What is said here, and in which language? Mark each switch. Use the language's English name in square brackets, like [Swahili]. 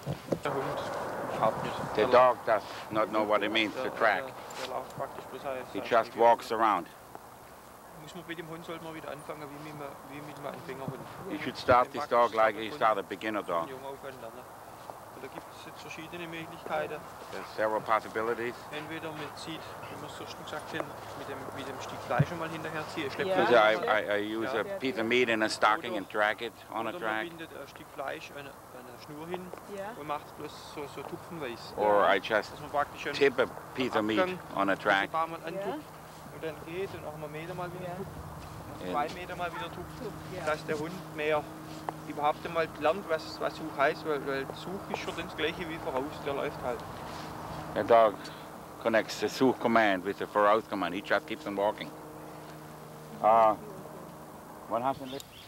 [English] The dog does not know what it means to track. He just walks around. You should start this dog like you start a beginner dog. There's several possibilities. [German] Entweder mit Seed, wie man so schon gesagt hat, mit dem Stück Fleisch schon mal hinterher ziehen. [English] Yeah. So I use a piece of meat in a stocking and drag it on a track. [German] Oder man bindet ein Stück Fleisch an einer Schnur hin und macht es bloß so tupfenweise. [English] Or I just tip a piece of meat on a track. [German] Ein paar Mal antupft und dann geht und auch mal Meter mal wieder tupft. Und 2 Meter mal wieder tupft, dass der Hund mehr überhaupt einmal lernt, was Such heißt, weil Such ist schon das gleiche wie voraus, der läuft halt. [English] The dog connects the Such command with the voraus command, he just keeps on walking. What happened there?